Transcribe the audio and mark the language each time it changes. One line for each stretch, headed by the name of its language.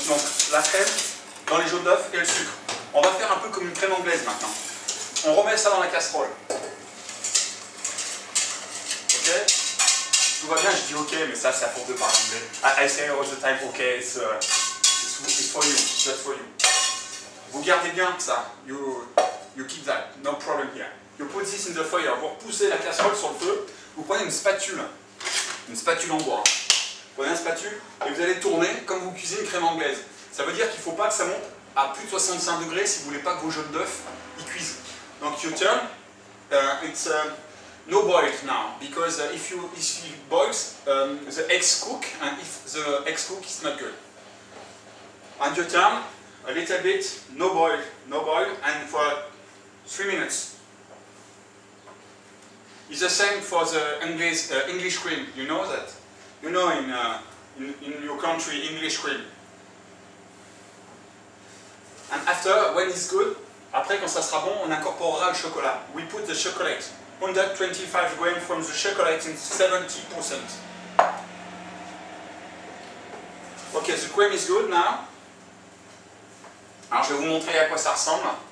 French: Donc, la crème dans les jaunes d'œufs et le sucre. On va faire un peu comme une crème anglaise maintenant. On remet ça dans la casserole. Ok? Tout va bien, je dis ok, mais ça c'est à force de parler.
English: I say all the time, ok, it's for you, just for you.
French: Vous gardez bien ça,
English: you keep that, no problem here. You put this in the fire,
French: vous repoussez la casserole sur le feu, vous prenez une spatule en bois. Vous prenez une spatule et vous allez tourner comme vous cuisez une crème anglaise. Ça veut dire qu'il ne faut pas que ça monte à plus de 65 degrés si vous ne voulez pas que vos jaunes d'œufs y cuisent.
English: Donc you turn, it's a. No boil now, because if you boil, the eggs cook, and if the eggs cook, it's not good. And you turn a little bit, no boil, and for 3 minutes. It's the same for the English cream, you know that? You know in your country, English cream. And after, when it's good,
French: Après, quand ça sera bon, on incorporera le chocolat.
English: We put the chocolate. 125 grams from the chocolate in 70%. Ok, the cream is good now.
French: Alors, je vais vous montrer à quoi ça ressemble.